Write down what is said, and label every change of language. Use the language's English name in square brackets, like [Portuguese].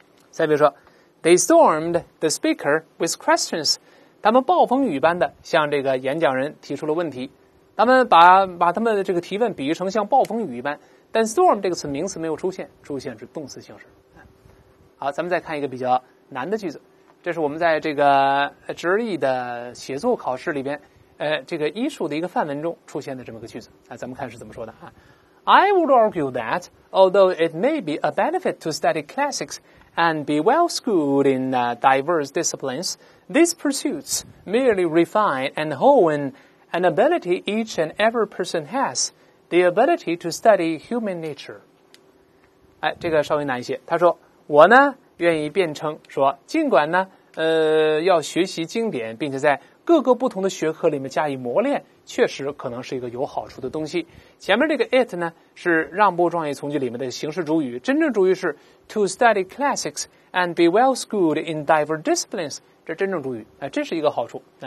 [Chinese] 再比如说 ， [English] They stormed the speaker with questions， [Chinese] 他们暴风雨般的向这个演讲人提出了问题，他们把他们的这个提问比喻成像暴风雨一般。但 storm 这个词名词没有出现，出现是动词形式。好，咱们再看一个比较难的句子，这是我们在这个直译的写作考试里边，这个医术的一个范文中出现的这么个句子。咱们看是怎么说的啊 [English] ？I would argue that although it may be a benefit to study classics and be well-schooled in diverse disciplines, these pursuits merely refine and hone an ability each and every person has, the ability to study human nature. [Chinese] 哎，这个稍微难一些。他说，我呢，愿意辩称说，尽管呢，要学习经典，并且在各个不同的学科里面加以磨练，确实可能是一个有好处的东西。前面这个 it 呢，是让步状语从句里面的形式主语，真正主语是 [English] to study classics and be well-schooled in diverse disciplines， [Chinese] 这真正主语，这是一个好处。